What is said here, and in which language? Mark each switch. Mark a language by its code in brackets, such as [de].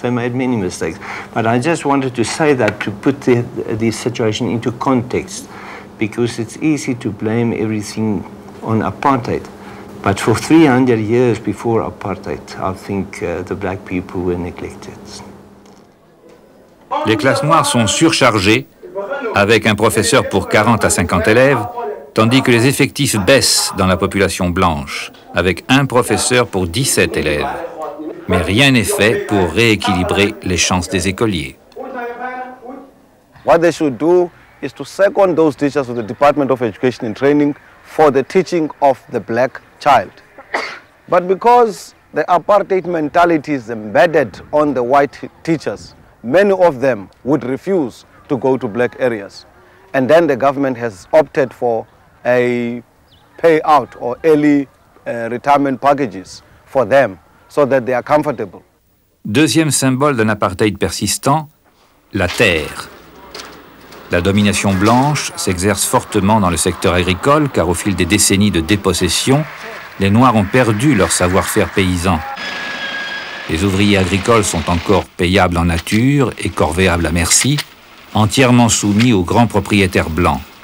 [en] But I just wanted to say that to put the situation into context, because it's easy to blame everything on apartheid. But for 300 years before apartheid, I think the black people were neglected. [fr] Les classes noires sont surchargées, avec un professeur pour 40 à 50 élèves, tandis que les effectifs baissent dans la population blanche, avec un professeur pour 17 élèves. Mais rien n'est fait pour rééquilibrer les chances des écoliers. [en] What they should do is to second those teachers of the Department of Education and Training for the teaching of the black child. But because the apartheid mentality is embedded on the white teachers, many of them would refuse to go to black areas. And then the government has opted for a payout or early retirement packages for them so that they are comfortable. [fr] Deuxième symbole d'un apartheid persistant, la terre. La domination blanche s'exerce fortement dans le secteur agricole car au fil des décennies de dépossession, les Noirs ont perdu leur savoir-faire paysan. Les ouvriers agricoles sont encore payables en nature et corvéables à merci, entièrement soumis aux grands propriétaires blancs.